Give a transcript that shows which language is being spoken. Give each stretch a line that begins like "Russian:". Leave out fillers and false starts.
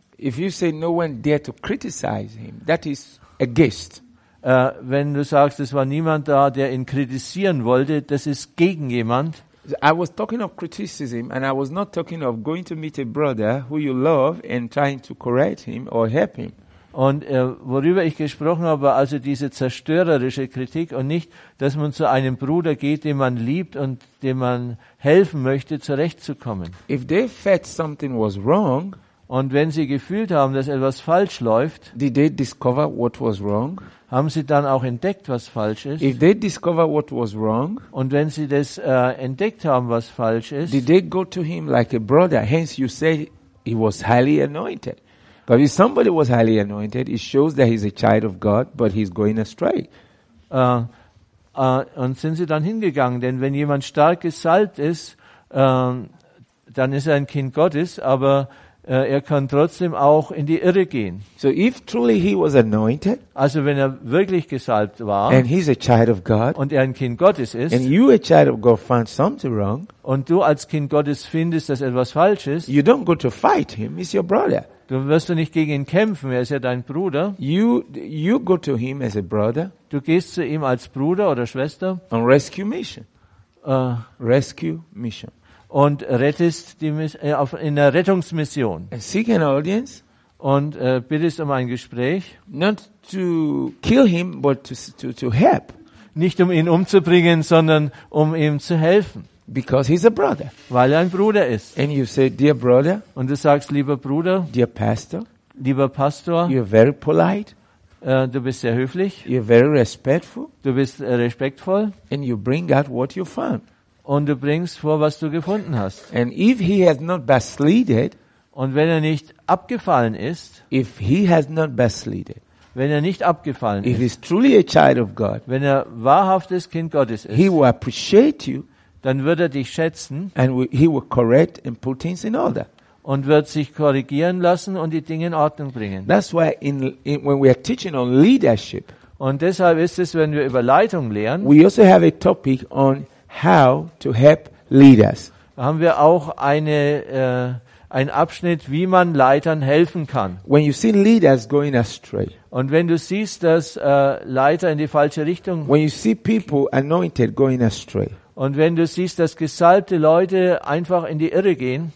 English: If you say no one dared to criticize him, that is a guest.
German: Wenn du sagst, es war niemand da, der ihn kritisieren wollte, das ist gegen jemand.
English: I was talking of criticism and I was not talking of going to meet a brother who you love and trying to correct him or help him.
German: Und worüber ich gesprochen habe, war also diese zerstörerische Kritik und nicht, dass man zu einem Bruder geht, den man liebt und dem man helfen möchte, zurechtzukommen.
English: If they felt something was wrong,
German: und wenn sie gefühlt haben, dass etwas falsch läuft,
English: did they discover what was wrong?
German: Haben sie dann auch entdeckt, was falsch ist?
English: If they discover what was wrong,
German: und wenn sie das entdeckt haben, was falsch ist,
English: did they go to him like a brother? Hence you say he was highly anointed. Because if somebody was highly anointed, it shows that he's a child of God, but he's going astray.
German: Und sind sie dann hingegangen? Denn wenn jemand stark gesalbt ist, dann ist er ein Kind Gottes, aber er kann trotzdem auch in die Irre gehen.
English: So if truly he was anointed,
German: also wenn er wirklich gesalbt war,
English: and he's a child of God,
German: und er ein Kind Gottes ist,
English: and you a child of God find something wrong,
German: und du als Kind Gottes findest, dass etwas falsch ist,
English: you don't go to fight him, he's your brother.
German: Du wirst du nicht gegen ihn kämpfen, er ist ja dein Bruder.
English: You go to him as a brother.
German: Du gehst zu ihm als Bruder oder Schwester.
English: On rescue mission. Rescue mission.
German: Und rettest die in der Rettungsmission.
English: And seek an audience.
German: Und bittest um ein Gespräch.
English: Not to kill him, but to help.
German: nicht um ihn umzubringen, sondern um ihm zu helfen.
English: Because he's a brother.
German: Weil er ein Bruder ist.
English: And you say, dear brother.
German: Und du sagst, lieber Bruder.
English: Dear pastor.
German: Lieber Pastor.
English: You're very polite.
German: Du bist sehr höflich.
English: You're very respectful.
German: Du bist respektvoll.
English: And you bring out what you found.
German: Und du bringst vor, was du gefunden hast.
English: And if he has not backslided.
German: Und wenn er nicht abgefallen ist.
English: If he has not backslided.
German: Wenn er nicht abgefallen
English: if If he's truly a child of God.
German: Wenn er wahrhaftes Kind Gottes ist.
English: He will appreciate you.
German: Dann wird er dich schätzen.
English: And he will correct and put things in order.
German: Und wird sich korrigieren lassen und die Dinge in Ordnung bringen.
English: That's why when we are teaching on leadership.
German: Und deshalb ist es, wenn wir über Leitung lernen.
English: We also have a topic on how to help leaders.
German: Haben wir auch einen Abschnitt, wie man Leitern helfen kann.
English: When you see leaders going astray.
German: Und wenn du siehst, dass Leiter in die falsche Richtung.
English: When you see people anointed going astray.
German: Und wenn du siehst, dass gesalbte Leute einfach in die Irre gehen,